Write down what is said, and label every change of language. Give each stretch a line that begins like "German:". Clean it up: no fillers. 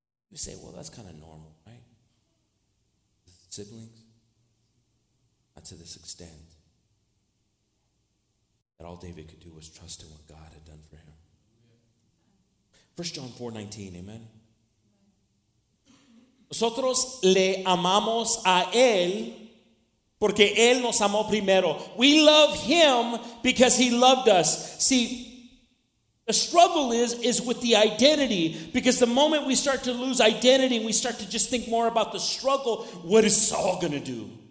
English: You say, well, that's kind of normal, right? With siblings? Not to this extent. That all David could do was trust in what God had done for him. 1 John 4:19, amen?
Spanish: Nosotros le amamos a él porque él nos amó primero.
English: We love him because he loved us. See, the struggle is with the identity, because the moment we start to lose identity, we start to just think more about the struggle, what is Saul going to do?